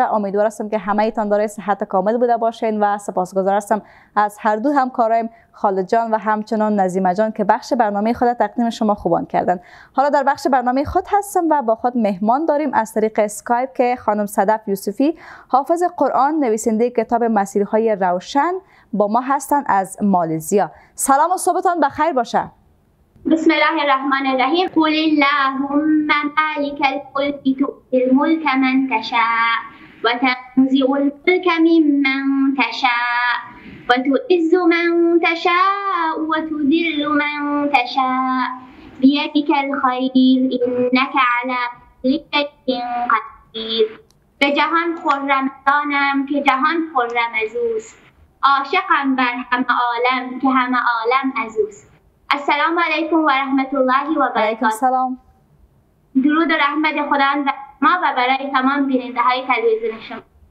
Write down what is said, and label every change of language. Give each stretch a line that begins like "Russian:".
Persian: امیدوار هستم که همه ایتان داره صحت کامل بوده باشین و سپاسگزار هستم از هر دو همکارم خالد جان و همچنان نظیمه جان که بخش برنامه خود تقدیم شما خوبان کردن. حالا در بخش برنامه خود هستم و با خود مهمان داریم از طریق اسکایپ که خانم صدف یوسفی، حافظ قرآن، نویسنده کتاب مسیرهای روشن، با ما هستن از مالزیا. سلام و صبحتان بخیر باشه.
Arabic: بسم الله الرحمن الرحیم. قل اللهم مالك الملك تؤتي الملك من تشاء وتنزع الملك ممن تشاء وتعز من تشاء وتذل من تشاء بيدك الخير انك على كل شيء قدير.
Persian: به جهان خرم دانم که جهان خرم از اوست، عاشقم بر همه عالم که همه عالم از اوست. السلام علیکم و رحمت الله و برکاته. علیکم سلام. درود و رحمت خدا ما و برای تمام بیننده های تلویزیون شما.